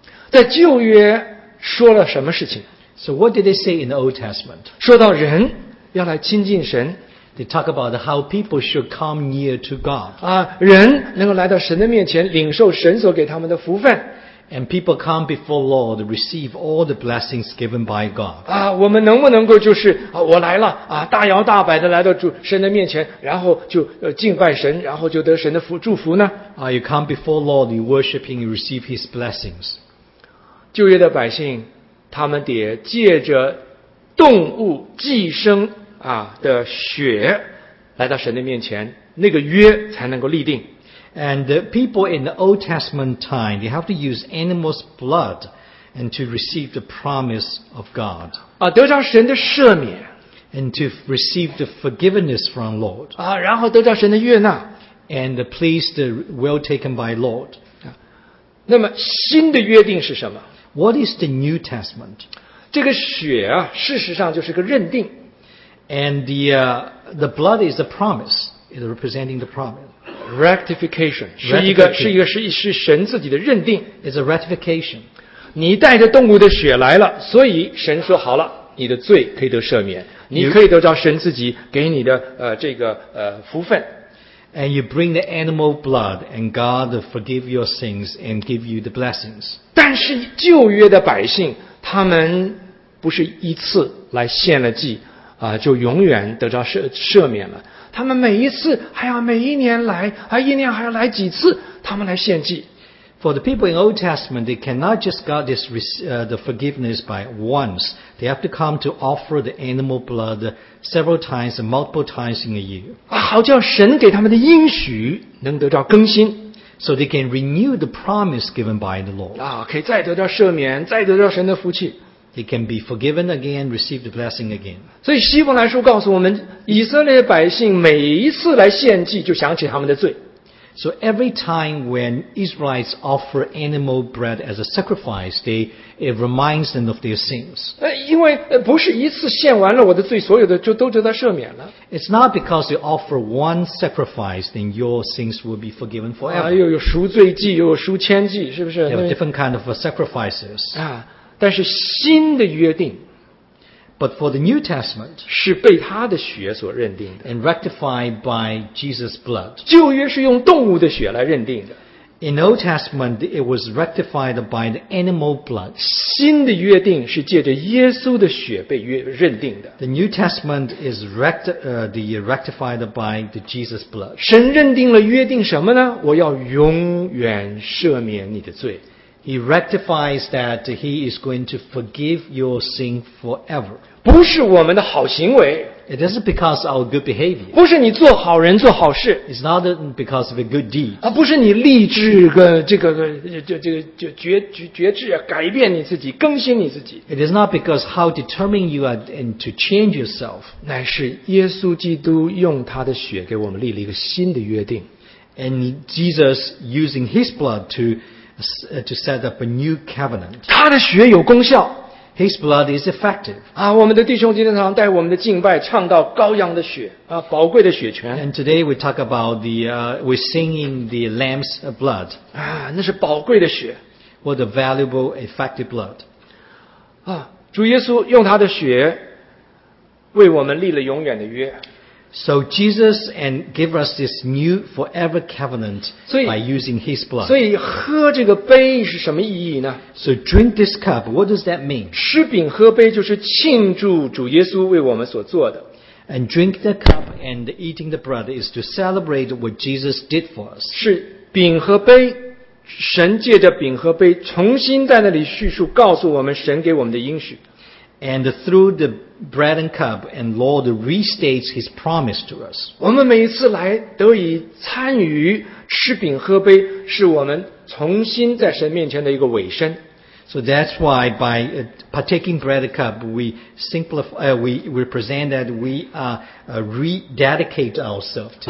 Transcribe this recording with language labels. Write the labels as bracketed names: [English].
[Chinese] 在旧约说了什么事情？ [English] So what did they say in the Old Testament? [Chinese] 说到人要来亲近神。 [English] They talk about how people should come near to God. [Chinese] 人能够来到神的面前领受神所给他们的福分。 [English] And people come before Lord, receive all the blessings given by God. [Chinese] 我们能不能够就是我来了大摇大摆的来到主神的面前，然后就敬拜神，然后就得神的祝福呢？ [English] You come before Lord, you worship him, you receive his blessings. [Chinese] 旧约的百姓，他们得借着动物寄生的血来到神的面前，那个约才能够立定。 [English] And the people in the Old Testament time, they have to use animals' blood and to receive the promise of God. [Chinese] 得着神的赦免。 [English] And to receive the forgiveness from Lord. [Chinese] 然后得着神的悦纳。 [English] And the pleased will taken by Lord. [Chinese] 那么新的约定是什么？ [English] What is the New Testament? [Chinese] 这个血事实上就是个认定。 [English] And the blood is a promise. It representing the promise. [Chinese] Rectification 是神自己的认定 [English] is a ratification. [Chinese] 你带着动物的血来了，所以神说好了，你的罪可以得赦免，你可以得到神自己给你的福分。 [English] And you bring the animal blood, and God forgive your sins and give you the blessings. [Chinese] 但是旧约的百姓，他们不是一次来献了祭就永远得到赦免了。他们每一次还要每一年来，还一年还要来几次，他们来献祭。 [English] For the people in Old Testament, they cannot just got this the forgiveness by once. They have to come to offer the animal blood several times and multiple times in a year. [Chinese] 好叫神给他们的应许能得到更新。 [English] So they can renew the promise given by the Lord. [Chinese] 可以再得到赦免，再得到神的福气。 [English] He can be forgiven again, receive the blessing again. [Chinese] 所以希伯来书告诉我们，以色列百姓每一次来献祭，就想起他们的罪。 [English] So every time when Israelites offer animal bread as a sacrifice, it reminds them of their sins. [Chinese] 因为不是一次献完了我的罪，所有的就都得到赦免了。 [English] It's not because you offer one sacrifice, then your sins will be forgiven forever. [Chinese] 又有赎罪祭，又有赎愆祭，是不是 [English] ？There are different kind of sacrifices. [Chinese] 但是新的约定 [English] ，But for the New Testament [Chinese] 是被他的血所认定的 [English] ，and rectified by Jesus' blood。 [Chinese] 旧约是用动物的血来认定的 [English] ，In Old Testament it was rectified by the animal blood。 [Chinese] 新的约定是借着耶稣的血被认定的 [English] ，The New Testament is rectified by the Jesus' blood。 [Chinese] 神认定了约定什么呢？我要永远赦免你的罪。 [English] He rectifies that he is going to forgive your sin forever. [Chinese] 不是我们的好行为。 [English] It isn't because of our good behavior. [Chinese] 不是你做好人做好事。 [English] It's not because of a good deed. [Chinese] 啊，不是你立志个这个个就决志啊，改变你自己，更新你自己。 [English] It is not because how determined you are and to change yourself. [Chinese] 乃是耶稣基督用他的血给我们立了一个新的约定。 [English] And Jesus using His blood to set up a new covenant. [Chinese] 他的血有功效。 [English] His blood is effective. [Chinese] 啊，我们的弟兄今天早上带我们的敬拜唱到羔羊的血啊，宝贵的血泉。 [English] And today we talk about the we singing the Lamb's blood. [Chinese] 啊，那是宝贵的血。 [English] What a valuable, effective blood. [Chinese] 啊，主耶稣用他的血为我们立了永远的约。 [English] So Jesus and give us this new forever covenant by using His blood. [Chinese] 所以喝这个杯是什么意义呢？ [English] So drink this cup, what does that mean? [Chinese] 吃饼喝杯就是庆祝主耶稣为我们所做的。 [English] And drink the cup and eating the bread is to celebrate what Jesus did for us. [Chinese] 是饼和杯，神借着饼和杯重新在那里叙述，告诉我们神给我们的应许。 [English] And through the bread and cup, and Lord restates His promise to us. [Chinese] 我们每一次来得以参与吃饼喝杯，是我们重新在神面前的一个委身。 [English] So that's why by partaking bread and cup, we represent that we rededicate ourselves to.